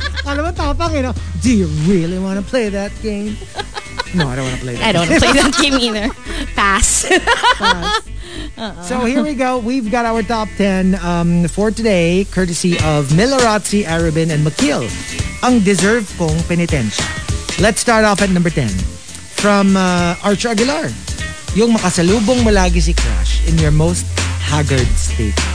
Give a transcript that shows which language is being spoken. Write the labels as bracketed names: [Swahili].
[Filipino] Alam mo, tapang, [English] you know, do you really want to play that game? No, I don't want to play that. I don't want to play that game either. Pass. So here we go. We've got our top 10 for today, courtesy of Milarazzi, Arabin, and Makil. [Filipino] Ang deserve kong penitensya. [English] Let's start off at number 10. From Arch Aguilar. [Filipino] Yung makasalubong mo lagi si crush [English] in your most haggard state.